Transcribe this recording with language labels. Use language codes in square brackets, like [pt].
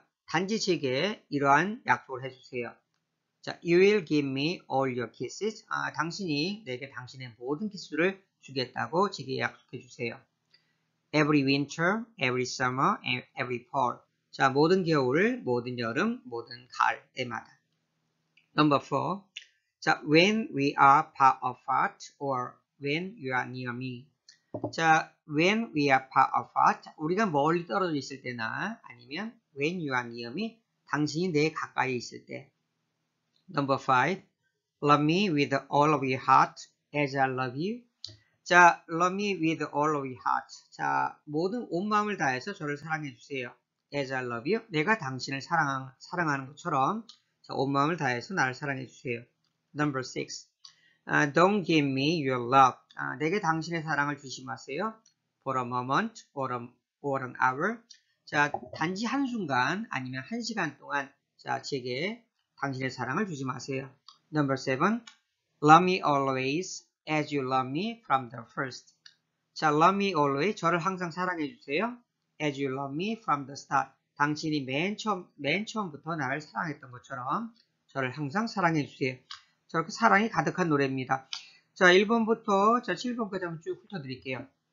[ko] 단지 제게 이러한 약속을 해주세요. [en] 자, you will give me all your kisses. [ko] 당신이 내게 당신의 모든 키스를 주겠다고 제게 약속해주세요. [en] Every winter, every summer, and every fall. [ko] 자, 모든 겨울, 모든 여름, 모든 가을 때마다. [en] Number four. 자, when we are far apart or when you are near me. [ko] 자, [en] when we are far apart, [ko] 우리가 멀리 떨어져 있을 때나, 아니면 [en] when you are near me, [ko] 당신이 내 가까이 있을 때. [en] Number five, love me with all of your heart as I love you. 자, love me with all of your heart. [ko] 자, 모든 온 마음을 다해서 저를 사랑해 주세요. [en] As I love you, [ko] 내가 당신을 사랑하는 것처럼, 자, 온 마음을 다해서 나를 사랑해 주세요. [en] Number six. Don't give me your love. [ko] 내게 당신의 사랑을 주지 마세요. [en] For a moment, or an hour. [ko] 자, 단지 한순간, 아니면 1시간 동안, 자, 제게 당신의 사랑을 주지 마세요. [en] Number seven. Love me always as you love me from the first. 자, love me always. [ko] 저를 항상 사랑해 주세요. [en] As you love me from the start. [ko] 당신이 맨 처음부터 나를 사랑했던 것처럼 저를 항상 사랑해 주세요. 저렇게 사랑이 가득한 노래입니다. 자, 1번부터 자, 7번까지 한번 쭉 훑어드릴게요.